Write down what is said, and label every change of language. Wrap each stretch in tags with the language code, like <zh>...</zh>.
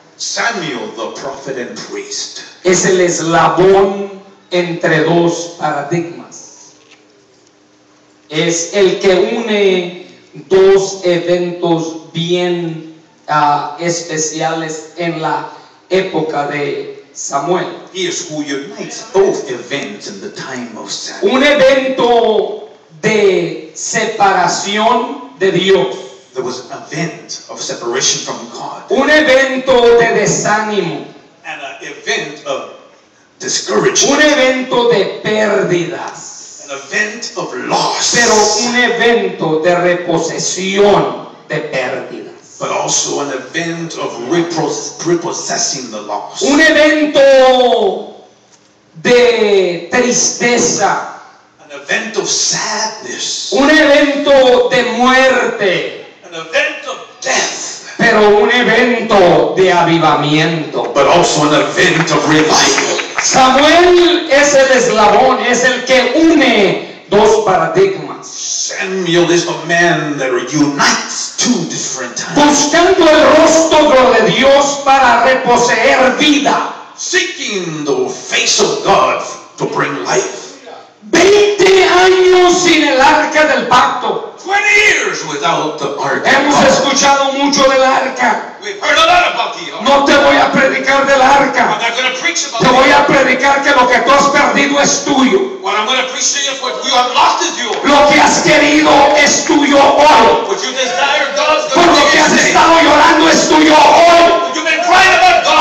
<en>Samuel, the prophet and priest.</en> <es>Es el eslabón entre dos paradigmas. Es el que une dos eventos bien especiales en la época de Samuel.</es> <en>He is who unites both events in the time of Samuel.</en> <es>Un evento de separación de Dios.</es> <en>There was an event of separation from God.</en> <es>Un evento de desánimo.</es> <en>And an event of discouragement.</en> <es>Un evento de pérdidas.</es> <en>An event of loss.</en> <es>Pero un evento de reposesión de pérdidas.</es> <en>But also an event of repossessing the loss.</en> <es>Un evento de tristeza.</es> <en>An event of sadness.</en> <es>Un evento de muerte.</es> <en>An event of death.</en> <es>Pero un evento de avivamiento.</es> <en>But also an event of revival.</en> <es>Samuel es el eslabón, es el que une dos paradigmas.</es> <en>Samuel is the man that unites two different times.</en> <es>Buscando el rostro de Dios para reposeer vida.</es> <en>Seeking the face of God to bring life.</en> <es>20 años sin el arca del pacto.</es> <en>20 years without the ark.</en> <es>Hemos escuchado mucho del arca.</es> <en>We've heard a lot about the ark.</en> <es>No te voy a predicar del arca.</es> <en>I'm not going to preach about</en> <es>te voy a predicar que lo que tú has perdido es tuyo.</es> <en>What I'm going to preach to you is what you have lost is yours.</en> <es>Lo que has querido es tuyo hoy.</es> <en>What you desire, God's going to.</en> <es>Por lo que has estado llorando es tuyo hoy.</es> <en>You've been crying about God.</en>